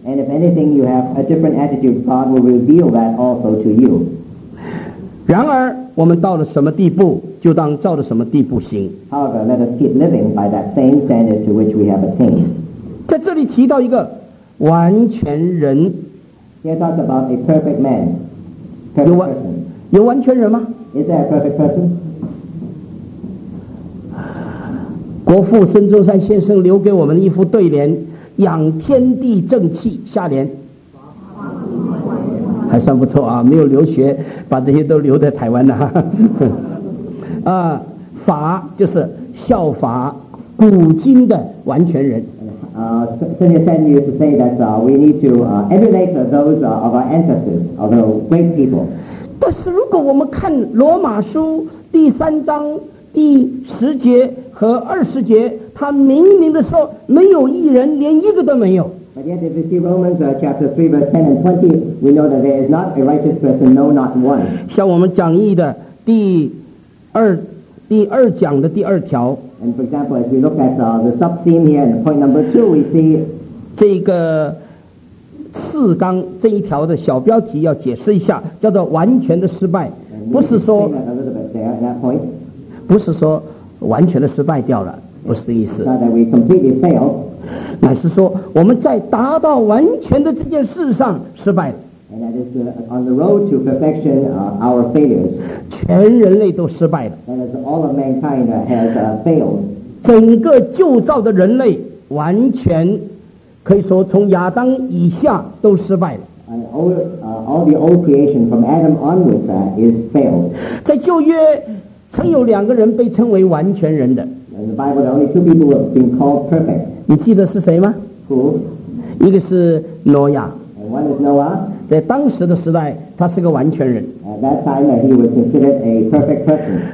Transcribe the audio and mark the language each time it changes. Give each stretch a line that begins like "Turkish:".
English: And if anything you have a different attitude, God will reveal that also to you.
Chinese: 然而我们到了什么地步，就当照着什么地步行。
English: However, let us keep living by that same standard to which we have attained.
Chinese: 在这里提到一个完全人。
English: Here talks about a perfect man. Perfect
Chinese: 有完全人吗？
English: Is there a perfect person?
Chinese: 国父孙中山先生留给我们的一副对联，养天地正气，下联。还算不错啊，没有留学，把这些都留在台湾呢、啊。啊，法就是效法古今的完全人。
English: Sunny Sen used to say that we need to emulate those of our ancestors, of the great people.
Chinese: 但是如果我们看罗马书第三章第十节和二十节，他明明的说没有一人，连一个都没有。
English: But yet, if you see Romans chapter 3 verse 10 and 20, we know that there is not a righteous person, no, not one.
Chinese: 像我们讲义的第二讲的第二条。
English: And for example, as we look at the sub-theme here, and point number two, we see
Chinese: 这个次纲这一条的小标题要解释一下，叫做完全的失败，不是说
English: there,
Chinese: 不是说完全的失败掉了，不是意思。
English: Not that we completely failed,
Chinese: 乃是说我们在达到完全的这件事上失败了。
English: And that is on the road to perfection, our failures.
Chinese: 全人类都失败了。
English: That is all of mankind has failed.
Chinese: 整个旧造的人类完全可以说从亚当以下都失败了。
English: And all the old creation from Adam onwards is failed.
Chinese: 在旧约曾有两个人被称为完全人的。
English: In the Bible, the only two people have been called perfect.
Chinese: 你记得是谁吗？
English: Who?
Chinese: 一个是挪亚。
English: one is Noah.
Chinese: 在当时的时代，他是个完全人。
English: At that time, he was considered a perfect person.